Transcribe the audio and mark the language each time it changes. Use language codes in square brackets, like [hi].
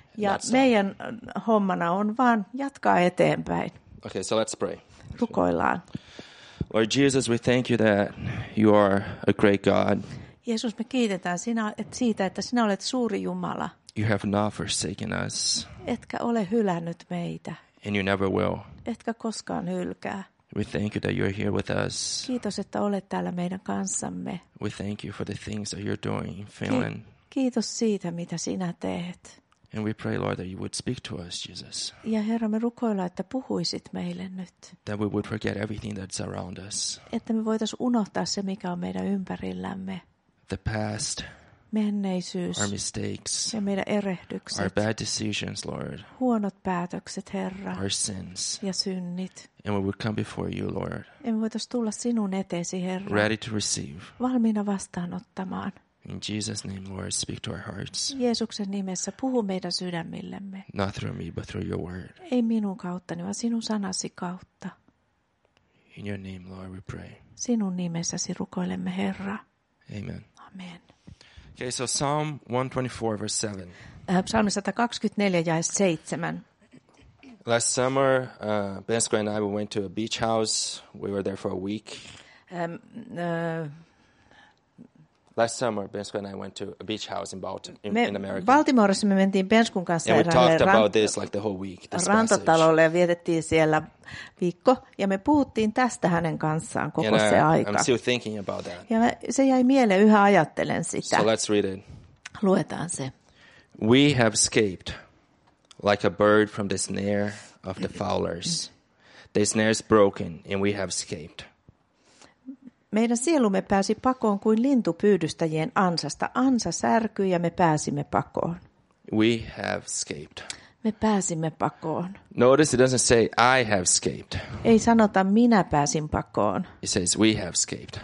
[fi] Ja meidän hommana on vaan jatkaa eteenpäin. [en] Okay, so let's pray. [fi] Rukoillaan. [en] Lord Jesus, we thank you that you are a great God. [fi] Jeesus, me kiitetään sinä, että siitä, että sinä olet suuri Jumala. [en] You have not forsaken us. [fi] Etkä ole hylännyt meitä. [en] And you never will. [fi] Etkä koskaan hylkää. [en] We thank you that you're here with us. [fi] Kiitos, että olet täällä meidän kanssamme. [en] We thank you for the things that you're doing in Finland. [fi] Kiitos siitä, mitä sinä teet. [en] And we pray, Lord, that you would speak to us, Jesus. [fi] Ja Herra, me rukoillaan, että puhuisit meille nyt. [en] That we would forget everything that's around us. [fi] Että me voitaisiin unohtaa se, mikä on meidän ympärillämme. [en] The past. [fi] Menneisyys. [en] Our mistakes. [fi] Ja meidän erehdykset. [en] Our bad decisions, Lord. [fi] Huonot päätökset, Herra. [en] Our sins. [fi] Ja synnit. [en] And we would come before you, Lord. [fi] Ja me voitaisiin tulla sinun eteesi, Herra. [en] Ready to receive. [fi] Valmiina vastaanottamaan. [en] In Jesus' name, Lord, speak to our hearts. [fi] Jeesuksen nimessä puhu meidän sydämillemme. [en] Not through me, but through your word. [fi] Ei minun kauttani, vaan sinun sanasi kautta. [en] In your name, Lord, we pray. [fi] Sinun nimessäsi rukoilemme, Herra. [en] Amen. [fi] Amen. [en] Okay, so Psalm 124, verse 7. [fi] Psalmi 124, jae 7. [en] Last summer, Bensko and I went to a beach house. We were there for a week. Last summer, Bensko and I went to a beach house in Baltimore, in America. [fi] Baltimoressa me mentiin Benskun kanssa [en] ja we talked about this like the whole week. [fi] Rantatalolle ja vietettiin siellä viikko ja me puhuttiin tästä hänen kanssaan koko [en] and [fi] se aika. [en] I'm still thinking about that. [fi] Ja se jäi mieleen, yhä ajattelen sitä. [en] So let's read it. [fi] Luetaan se. [en] We have escaped like a bird from the snare of the fowlers. The snare is broken and we have escaped. [fi] Meidän sielumme pääsi pakoon kuin lintu pyydystäjien ansasta. Ansa särkyi ja me pääsimme pakoon. [en] We have escaped. [fi] Me pääsimme pakoon. [en] Notice it doesn't say I have escaped. [fi] Ei sanota minä pääsin pakoon. [en] It says we have escaped.